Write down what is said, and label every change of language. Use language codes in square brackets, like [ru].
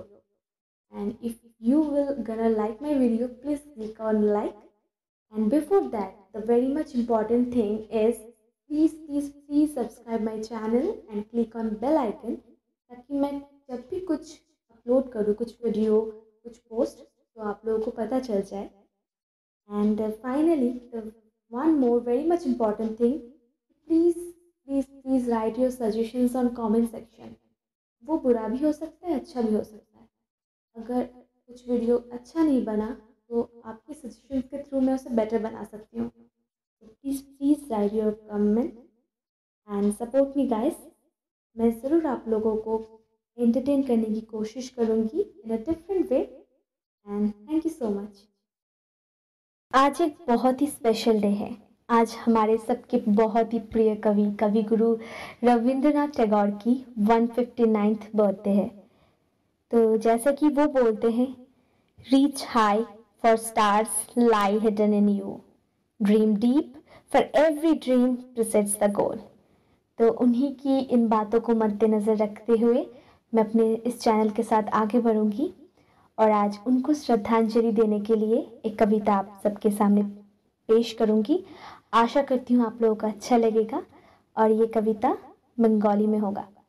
[en] And if you will gonna like my video please click on like. And before that the very much important thing is Please subscribe my channel and click on bell icon [hi] ताकि मैं जब भी कुछ upload करूँ, कुछ video, कुछ post, तो आप लोगों को पता चल जाए. [en] And finally, the one more very much important thing, please write your suggestions on comment section. [hi] वो बुरा भी हो सकता है, अच्छा भी हो सकता है. अगर कुछ वीडियो अच्छा नहीं बना तो आपके सजेशन के थ्रू मैं उसे बेटर बना सकती हूँ. [en] Please write your comment and support me guys. [hi] मैं ज़रूर आप लोगों को entertain करने की कोशिश करूँगी [en] in a different way. And thank you so much. [hi] आज एक बहुत ही special day है. आज हमारे सबके बहुत ही प्रिय कवि कवि गुरु रविंद्रनाथ टैगोर की 159th birthday है. तो जैसा कि वो बोलते हैं, [en] reach high for stars lie hidden in you. Dream deep, for every dream presets the goal. [hi] तो उन्हीं की इन बातों को मद्देनज़र रखते हुए मैं अपने इस चैनल के साथ आगे बढ़ूंगी और आज उनको श्रद्धांजलि देने के लिए एक कविता आप सबके सामने पेश करूंगी. आशा करती हूँ आप लोगों को अच्छा लगेगा और ये कविता बंगाली में होगा.